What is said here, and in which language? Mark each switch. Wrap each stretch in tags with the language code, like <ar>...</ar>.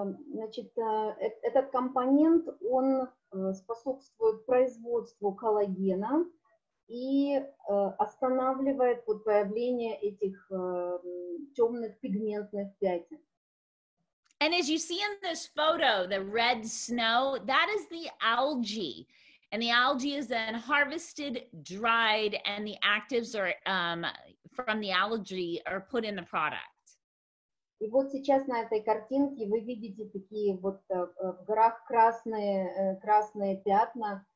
<ru>Значит, этот компонент, он способствует производству коллагена и останавливает вот появление этих темных пигментных пятен.</ru> <en>And as you see in this photo, the red snow, that is the algae. And the algae is then harvested, dried, and the actives are from the algae are put in the product.</en> <ru>И вот сейчас на этой картинке вы видите такие вот в горах красные пятна.</ru>